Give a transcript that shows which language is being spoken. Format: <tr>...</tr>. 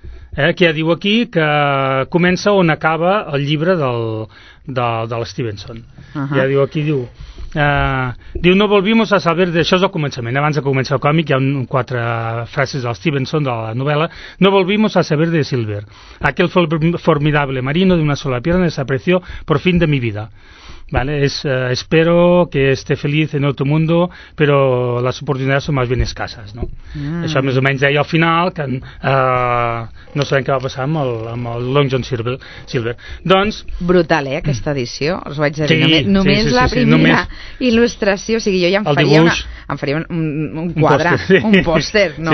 <ca>Que ja diu aquí que comença on acaba el llibre de l'Stevenson. Ja diu aquí, diu</ca> <es>no volvimos a saber,</es> <ca>això és el començament, abans de començar el còmic hi ha quatre frases del Stevenson de la novel·la,</ca> <es>no volvimos a saber de Silver, aquel formidable marino de una sola pierna desapareció por fin de mi vida. Vale, espero que esté feliz en otro mundo, pero las oportunidades son más bien escasas, ¿no?</es> <ca>Això més o menys deia al final, que no sabem què va passar amb el Long John Silver. Doncs, brutal, aquesta edició, us ho vaig dir, sí, només la primera només il·lustració, o sigui, jo ja em faria, un quadre, pòster, sí. Un pòster, no?</ca>